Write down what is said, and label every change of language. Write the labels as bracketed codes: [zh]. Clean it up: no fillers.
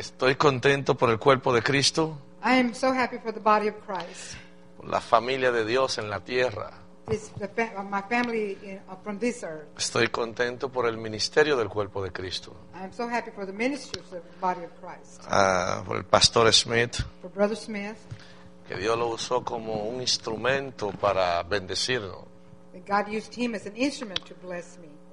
[es] Estoy contento por el cuerpo de Cristo. [en] I am so happy for the body of Christ. [es] La familia de Dios en la tierra. [en] It's my family from this earth. [es] Estoy contento por el ministerio del cuerpo de Cristo. [en] I'm so happy for the ministry of the body of Christ. [es] Por el pastor Smith. [en] For Brother Smith. [es] Que Dios lo usó como un instrumento para bendecirnos. [en] That God used him as an instrument to bless me.